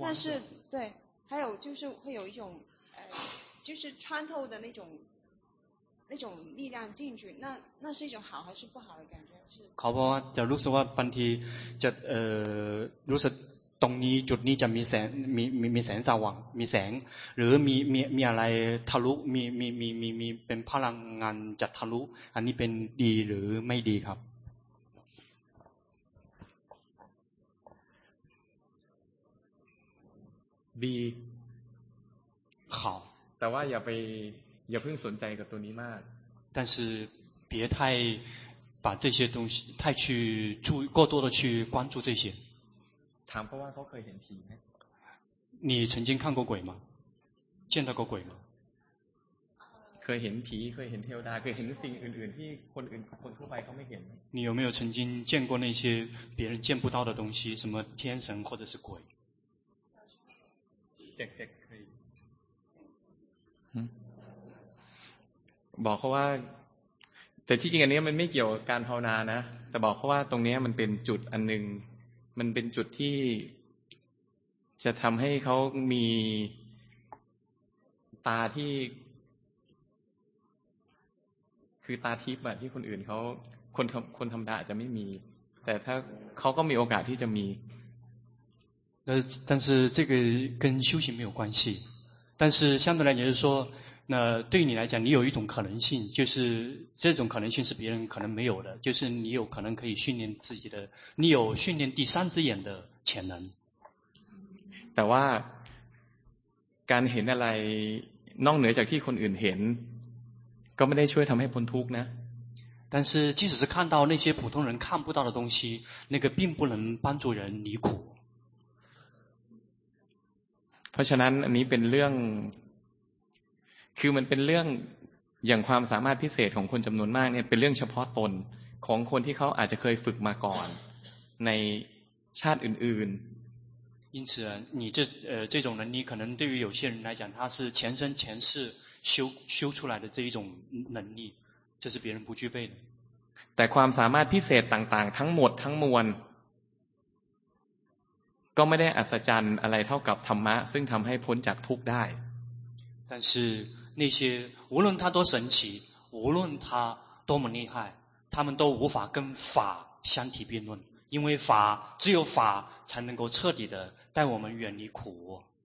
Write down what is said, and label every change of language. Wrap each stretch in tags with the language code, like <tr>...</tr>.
<zh>但是对还有就是会有一种就是穿透的那种力量进去那是一种好还是不好的感觉是考不好就如果说</zh> <th>บางทีจะรู้สึกตรงนี้จุดนี้จะมีแสงมีแสงสว่างมีแสงหรือมีอะไรทะลุมีเป็นพลังงานจะทะลุอันนี้เป็นดีหรือไม่ดีครับ ดี ครับ แต่ว่าอย่าเพิ่งสนใจกับตัวนี้มาก</th> <zh>但是别太把这些东西太去注意过多的去关注这些</zh> <th>ถามเพราะว่าเขาเคยเห็นผีไ</th> <zh>หม你曾经看过鬼吗见到过鬼吗</zh> <th>เคยเห็นผีเคยเห็นเทวดาเคยเห็นสิ่งอื่นๆที่คนทั่วไปเขาไม่เห็น</th> <zh>你有没有曾经见过那些别人见不到的东西什么天神或者是鬼</zh> <th>เด็กๆเคยบอกเขาว่าแต่ที่จริงอันนี้มันไม่เกี่ยวกับการภาวนานะแต่บอกเขาว่าตรงนี้มันเป็นจุดอันนึงมันเป็นจุดที่จะทำให้เขามีตาที่คือตาทิพย์แบบที่คนอื่นเขาคนธรรมดาจะไม่มีแต่ถ้าเขาก็มีโอกาสที่จะมี</th> <zh>但是这个跟修行没有关系但是相对来讲就是说那对你来讲，你有一种可能性，就是这种可能性是别人可能没有的，就是你有可能可以训练自己的，你有训练第三只眼的潜能。</zh> <th>แต่ว่าการเห็นอะไรนอกเหนือจากที่คนอื่นเห็นก็ไม่ได้ช่วยทำให้พ้นทุกข์นะ</th> <zh>但是即使是看到那些普通人看不到的东西，那个并不能帮助人离苦。</zh> <th>เพราะฉะนั้นอันนี้เป็นเรื่องคือมันเป็นเรื่องอย่างความสามารถพิเศษของคนจำนวนมากเนี่ยเป็นเรื่องเฉพาะตนของคนที่เขาอาจจะเคยฝึกมาก่อนในชาติอื่น</th> <zh>ๆ因此你这这种能力可能对于有些人来讲他是前生前世修出来的这一种能力这是别人不具备的</zh> <th>แต่ความสามารถพิเศษต่างๆทั้งหมดทั้งมวลก็ไม่ได้อัศจรรย์อะไรเท่ากับธรรมะซึ่งทำให้พ้นจากทุกข์ได้</th> <zh>但是那些无论他多神奇无论他多么厉害他们都无法跟法相提并论因为法只有法才能够彻底的带我们远离苦</zh>